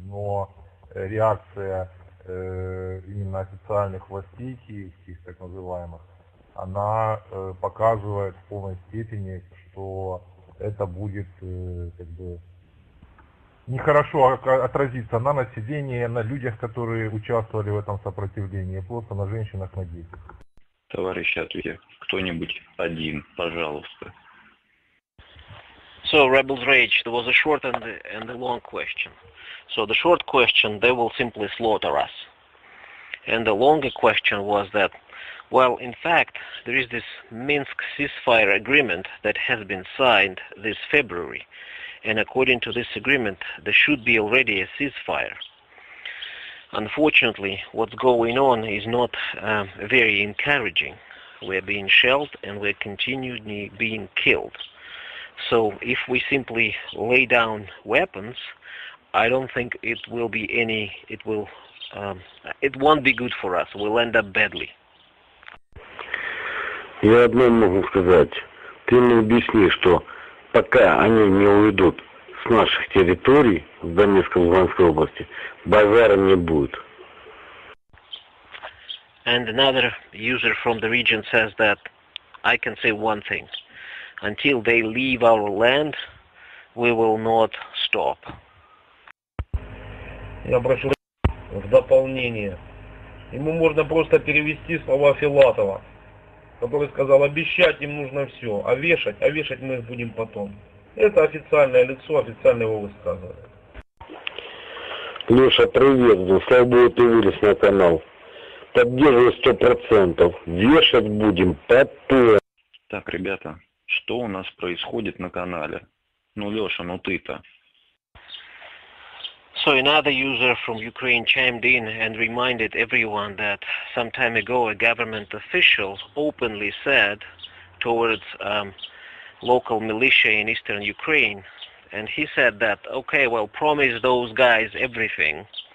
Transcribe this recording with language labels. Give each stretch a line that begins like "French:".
Russian: Но реакция именно официальных властей киевских, так называемых, она показывает в полной степени, что это будет как бы нехорошо отразиться на населении, на людях, которые участвовали в этом сопротивлении, просто на женщинах, на детях. Товарищ ответ. Кто-нибудь один, пожалуйста.
English: So, Rebel's Rage, there was a short and a long question. So, the short question, they will simply slaughter us. And the longer question was that, well, in fact, there is this Minsk ceasefire agreement that has been signed this February. And according to this agreement, there should be already a ceasefire. Unfortunately, what's going on is not very encouraging. We're being shelled and we're continually being killed. So if we simply lay down weapons, I don't think it will be any, it will, it won't be good for us. We'll end up badly.
Russian: Я одно могу сказать. Ты мне объясни, что пока они не уйдут с наших территорий в Донецкой и Луганской области, базара не будет.
English: And another user from the region says that I can say one thing. Until they leave our land, we will not stop.
Russian: Я прошу в дополнение. Ему можно просто перевести слова Филатова, который сказал, обещать им нужно все, а вешать мы их будем потом. Это официальное лицо, официально его высказывает. Леша, привет, слава богу, ты вылез на канал. Поддерживаю 100%. Вешать будем потом. Так, ребята, что у нас происходит на канале? Ну, Леша, ну ты-то.
English: So another user from Ukraine chimed in and reminded everyone that some time ago a government official openly said towards local militia in eastern Ukraine, and he said that, okay, well, promise those guys everything.